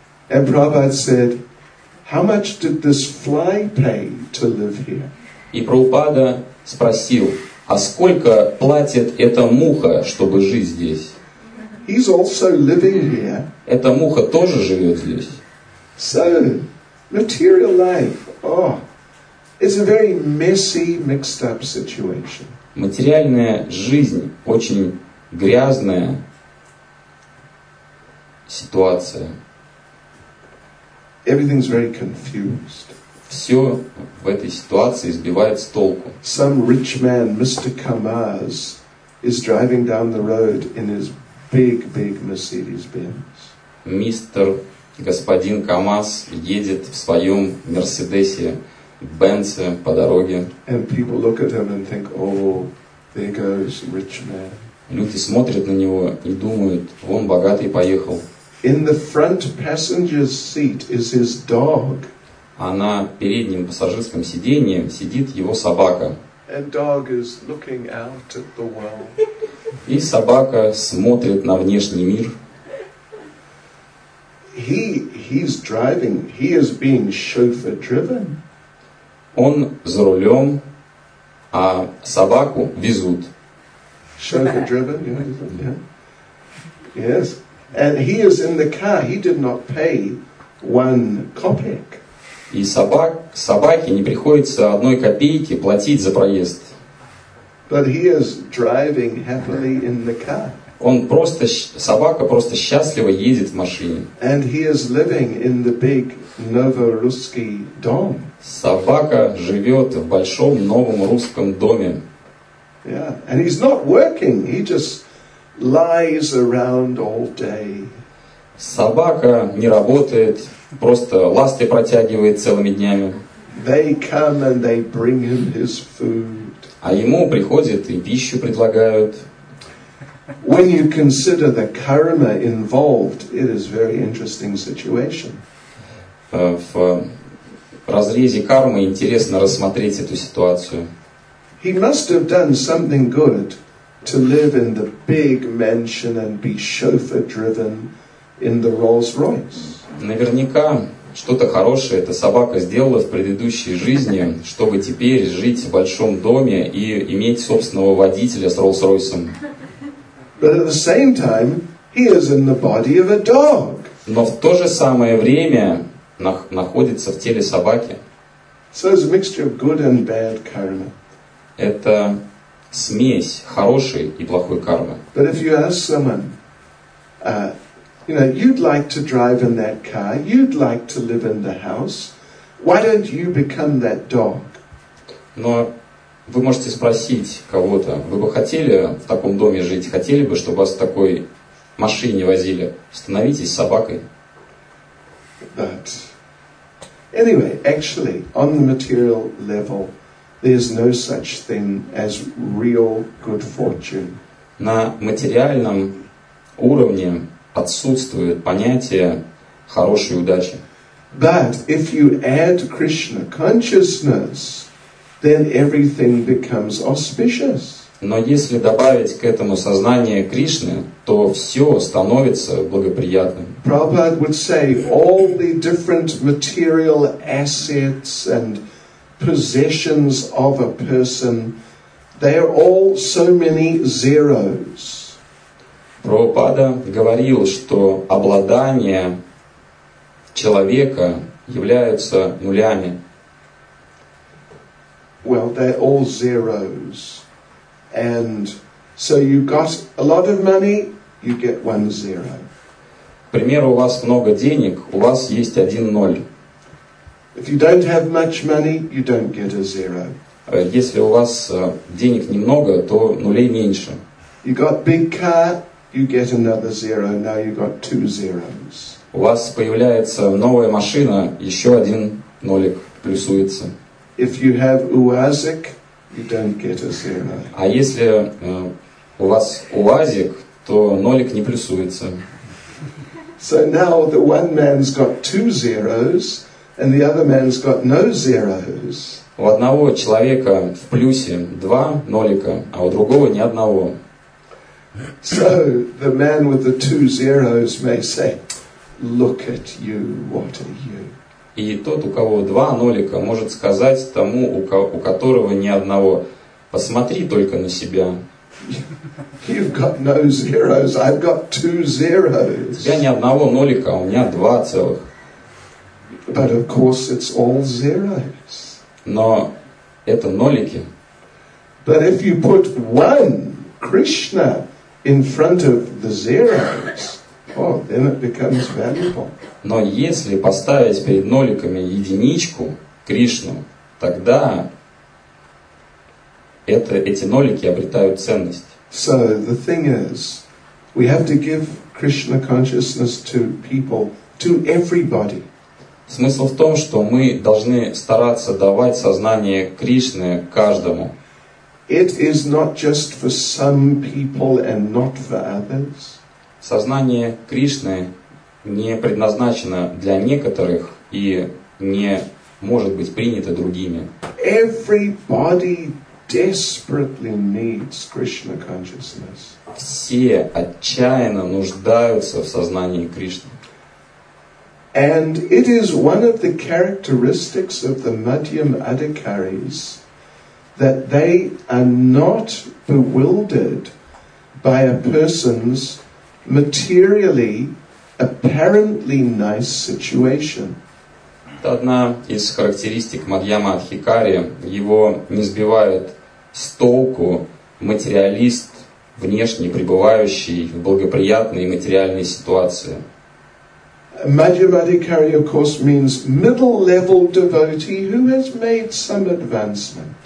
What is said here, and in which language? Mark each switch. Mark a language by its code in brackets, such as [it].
[en] And Prabhupada said, "How much did this fly pay to live here?" [ru] И Прабхупада спросил, а сколько платит эта муха, чтобы жить здесь? [en] He's also living here. [ru] Эта муха тоже живет здесь. [en] So, material life, oh, it's a very messy, mixed up situation. [ru] Материальная жизнь очень грязная ситуация. [en] Everything's very confused. [ru] Все в этой ситуации сбивает с толку. [en] Some rich man, Mr. Kamaz, is driving down the road in his big, big Mercedes-Benz. [ru] Мистер, господин Камаз едет в своем Мерседесе, Бенце по дороге. [en] And people look at him and think, oh, there goes rich man. [ru] Люди смотрят на него и думают: вон богатый поехал. [en] In the front passenger's seat is his dog. [ru] А на переднем пассажирском сиденье сидит его собака. [en] And dog is looking out at the world. [ru] И собака смотрит на внешний мир. [en] He's driving. He is being chauffeur driven. [ru] Он за рулем, а собаку везут. [en] Chauffeur driven, yeah. Yes. And he is in the car. He did not pay one kopeck. [ru] И собаке не приходится одной копейки платить за проезд. [en] But he is driving happily in the car. [ru] Он просто, собака просто счастливо ездит в машине. [en] And he is living in the big [ru] Novorusskiy dom. Собака живет в большом новом русском доме. [en] Yeah, and he's not working. He just lies around all day. [ru] Собака не работает, просто ласты протягивает целыми днями. [en] They come and they bring him his food. [ru] А ему приходят и пищу предлагают. [en] When you consider the karma involved, it is a very interesting situation. [ru] В разрезе кармы интересно рассмотреть эту ситуацию. [en] He must have done something good to live in the big mansion and be chauffeur-driven in the Rolls-Royce. [ru] Наверняка что-то хорошее эта собака сделала в предыдущей жизни, чтобы теперь жить в большом доме и иметь собственного водителя с Rolls-Royce'ом. [en] But at the same time, he is in the body of a dog. [ru] Но в то же самое время находится в теле собаки. [en] So it's a mixture of good and bad karma. [ru] Это смесь хорошей и плохой кармы. [en] But if you ask someone, you know, you'd like to drive in that car, you'd like to live in the house, why don't you become that dog? [ru] Но вы можете спросить кого-то: вы бы хотели в таком доме жить, хотели бы, чтобы вас в такой машине возили? Становитесь собакой. [en] But anyway, actually, on the material level, there's no such thing as real good fortune. [ru] На материальном уровне отсутствует понятие хорошей удачи. [en] But if you add Krishna consciousness, then everything becomes auspicious. [ru] Но если добавить к этому сознание Кришны, то все становится благоприятным. [en] Prabhupada would say all the different material assets and possessions of a person, they are all so many zeros. [ru] Прабхупада говорил, что обладание человека являются нулями. [en] Well, they're all zeros. And so you got a lot of money, you get one zero. [ru] К примеру, у вас много денег, у вас есть один ноль. [en] If you don't have much money, you don't get a zero. [ru] Если у вас денег немного, то нулей меньше. [en] You got big car, you get another zero. Now you got two zeros. [ru] У вас появляется новая машина, еще один нолик плюсуется. [en] If you have УАЗик, you don't get a zero. [ru] А если у вас УАЗик, то нолик не плюсуется. [en] So now the one man's got two zeros, and the other man's got no zeros. [ru] У одного человека в плюсе два нолика, а у другого ни одного. [en] So the man with the two zeros may say, "Look at you, what are you?" [ru] И тот, у кого два нолика, может сказать тому, у которого ни одного: посмотри только на себя. [en] You've got no zeros, I've got two zeros. [ru] У тебя ни одного нолика, у меня два целых. [en] But of course it's all zeros. [ru] Но это нолики. [en] But if you put one Krishna in front of the zeros, oh, then it becomes valuable. [ru] Но если поставить перед ноликами единичку, Кришну, тогда эти нолики обретают ценность. [en] So the thing is, we have to give Krishna consciousness to people, to everybody. [ru] Смысл в том, что мы должны стараться давать сознание Кришны каждому. [en] It is not just for some people and not for others. [ru] Сознание Кришны не предназначено для некоторых и не может быть принято другими. [en] Everybody desperately needs Krishna consciousness. [ru] Все отчаянно нуждаются в сознании Кришны. [en] And it is one of the characteristics of the Madhyam Adhikaris that they are not bewildered by a person's materially, apparently nice situation. [ru] Это одна из характеристик Мадьяма Адхикари. Его не сбивает с толку материалист, внешне пребывающий в благоприятной материальной ситуации. [en] Madhyam Adhikari, of course, means middle-level devotee who has made some advancement.